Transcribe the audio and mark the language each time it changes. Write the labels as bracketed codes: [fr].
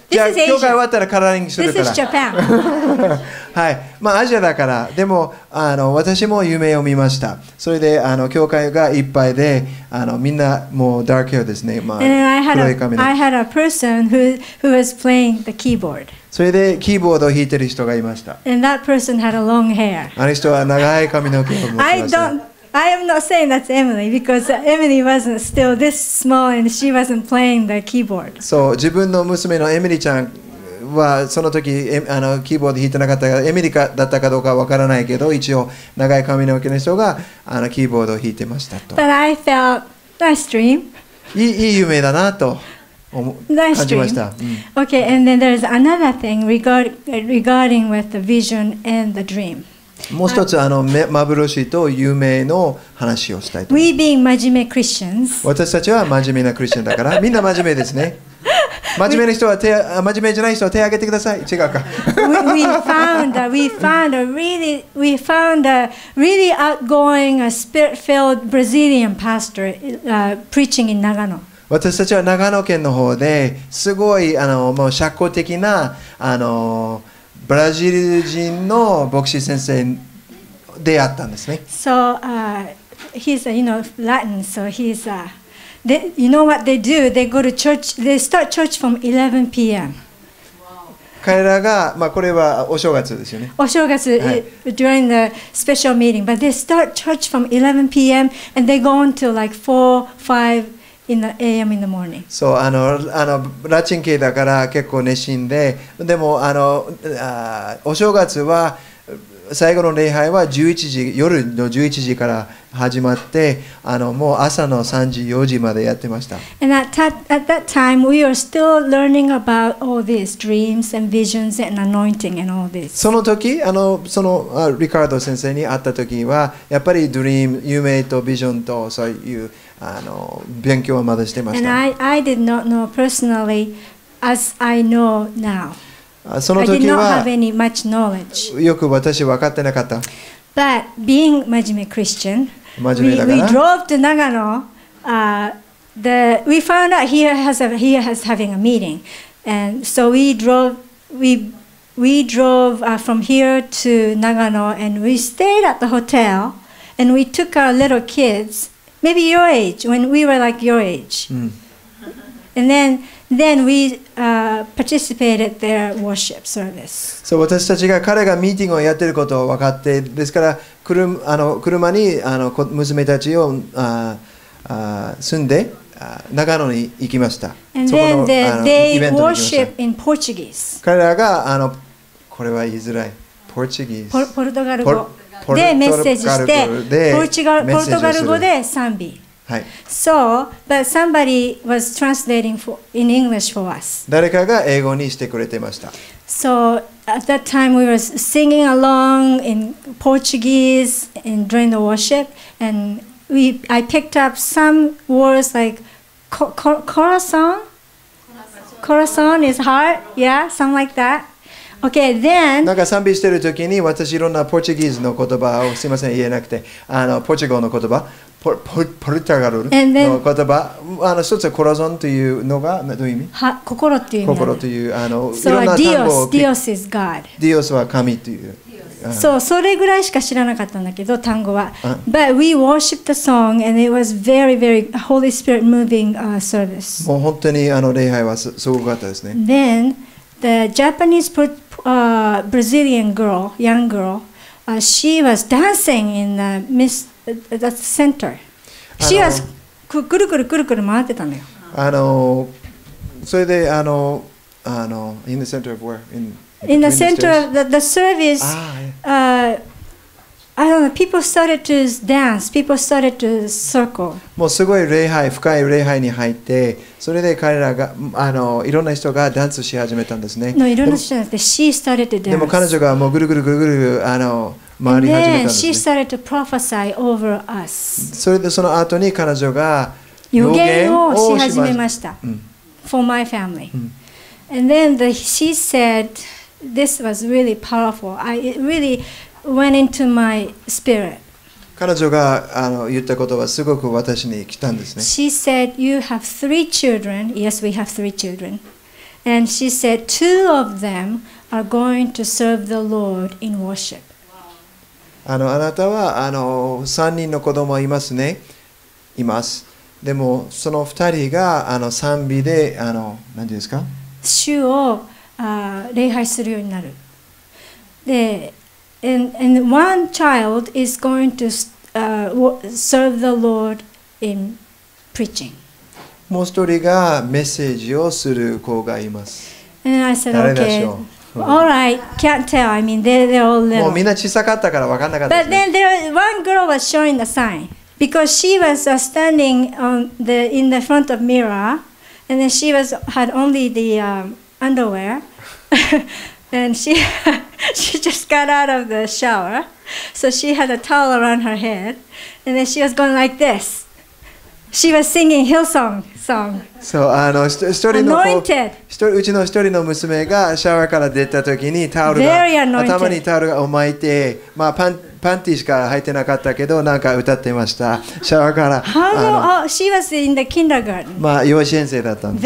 [ja] じゃあ、教会終わったらカラーリングするから。 [en] This is Japan. [ja] はい。まあ、アジアだから。でも、あの、私も夢を見ました。それで、あの、教会がいっぱいで、あの、みんなもうダークヘアですね。まあ、黒い髪で。 [en] And I had a person who was playing the keyboard. [ja] それでキーボードを弾いてる人がいました。 [en] And that person had a long hair. [ja] あの人は長い髪の毛を持ってました。 [en] I am not saying that's Emily because Emily wasn't still this small and she wasn't playing the keyboard. [ja] そう、自分の娘のエミリーちゃんはその時、あの、キーボード弾いてなかったから、エミリーだったかどうかわからないけど、一応長い髪の毛の人が、あの、キーボードを弾いてましたと。 [en] But I felt nice dream. [ja] いい夢だなと。 [en] Nice dream. Okay, and then there's another thing regarding with the vision and the dream. [ja] もう一つ、あの、幻と夢の話をしたいと。 [en] We being [ja] 真面目 [en] Christians. [ja] 私たちは真面目なクリスチャンだから、みんな真面目ですね。真面目な人は手、真面目じゃない人は手を挙げてください。違うか。 [en] we found a really outgoing, a spirit-filled Brazilian pastor, preaching in Nagano. [ja] 私たちは長野県の方で、すごい、あの、もう社交的な、あの、ブラジル人の牧師先生であったんですね。 [en] So, he's, you know, Latin, so he's, you know what they do? They go to church, they start church from 11 p.m. [ja] 彼らが、まあ、これはお正月ですよね。お正月、はい、 [en] during the special meeting, but they start church from 11 p.m. and they go until like 4, 5. In the AM in the morning. [ja] そう、あのラチン系だから結構熱心で、でも、あの、お正月は最後の礼拝は夜の11時から始まって、あの、もう朝の3時4時までやってました。 [en] And at that time we are still learning about all these dreams and visions and anointing and all this. [ja] その時、あの、そのリカルド先生に会った時はやっぱりドリーム、夢とビジョンとそういう、あの、勉強はまだしてました。 [en] And I did not know personally as I know now. [ja] その時は [en] I did not have any much knowledge. [ja] よく私分かってなかった。 [en] But being [ja] 真面目 [en] Christian, [ja] 真面目だから [en] we drove to Nagano. We found out he has having a meeting, and so we drove from here to Nagano, and we stayed at the hotel, and we took our little kids, maybe your age, when we were like your age,、うん、 And then we participated at their worship service. So [ja] 私たちが彼がミーティングをやっていることを分かって、ですから車に娘たちを住んで長野に行きました。 [en] And then they worship in Portuguese. [ja] 彼らがこれは言いづらい。 [en] Portuguese. [ja] ポルトガル語。でメッセージしてポルトガル語で賛美、はい、 [en] So, but somebody was translating in English for us. [ja] 誰かが英語にしてくれてました。 [en] So, at that time we were singing along in Portuguese and during the worship and I picked up some words like corazón? Corazón is heart? Yeah, something like that. Okay, then, [ja] なんか賛美してる時に私いろんなポーチギーズの言葉をすいません言えなくてポーチガルの言葉ポルタガルの言葉 [en] then, [ja] 一つはコラゾンというのがどういう意味心っていう意味心といういろんな単語を [en] Dios is God [ja] Dios は神という、 [en] so, [ja] それぐらいしか知らなかったんだけど単語は、 [en] But we worshiped the song and it was very very Holy Spirit moving service [ja] もう本当に礼拝はすごかったですね [en] thenThe Japanese Brazilian girl, young girl, she was dancing in the center. She was [ja] くるくるくるくる回ってたのよ。それで [en] in the center of where? In the center of the service, I don't know, people started to dance, people started to circle. [ja] もうすごい礼拝、深い礼拝に入って、それで彼らが、いろんな人がダンスし始めたんですね。 [en] No, [ja] いろんな人じゃなくて、 [en] she started to dance. [ja] でも彼女がもうぐるぐるぐるぐる、回り始めたんですね。 [en] And then she started to prophesy over us. [ja] それでその後に彼女が予言をし始めました。 [en] For my family. And then she said, this was really powerful. Went into my spirit. [ja] 彼女が言ったことはすごく私に来たんですね。 [en] She said, "You have three children." Yes, we have three children. And she said, "Two of them are going to serve the Lord in worship." [ja] あなたは三人の子供いますね。います。でもその二人が賛美で何ですか？主を礼拝するようになる。で。 [en] And one child is going to serve the Lord in preaching. [ja] もう一人がメッセージをする子がいます。 [en] And I said, okay, all right, can't tell. I mean, they're all little. [ja] もうみんな小さかったから分かんなかったですね。 [en] But then there one girl was showing the sign because she was standing in the front of mirror, and then she had only the underwear. And she just got out of the shower, so she had a towel around her head, and then she was going like this. She was singing Hillsong song. So, anointed. [ja] うちの一人の娘がシャワーから出た時にタオルが頭にタオルを巻いて、まあパンティしか履いてなかったけどなんか歌ってました。シャワーから。 [en] She was in the kindergarten. [ja] まあ幼稚園生だったんです。